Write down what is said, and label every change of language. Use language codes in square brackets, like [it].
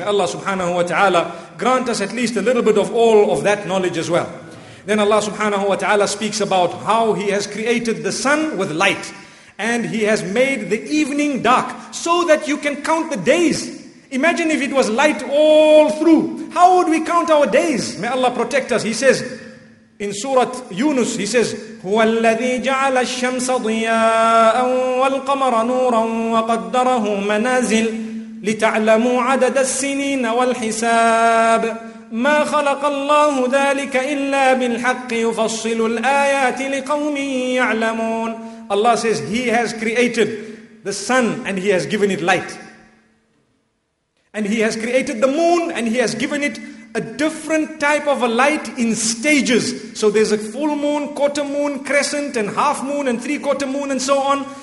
[en] May Allah subhanahu wa ta'ala grant us at least a little bit of all of that knowledge as well. Then Allah subhanahu wa ta'ala speaks about how He has created the sun with light, and He has made the evening dark so that you can count the days. Imagine if it was light all through. How would we count our days? May Allah protect us. He says in Surah Yunus, He says, [ar] هو الذي جعل الشمس ضياء والقمر نورا وقدره منازل لتعلموا عدد السنين والحساب ما خلق الله ذلك إلا بالحق يفصل الآيات لقوم يعلمون. [en] Allah says, He has created the sun and He has given it light. And He has created the moon and He has given it a different type of a light in stages. So there's a full moon, quarter moon, crescent, and half moon, and three quarter moon, and so on.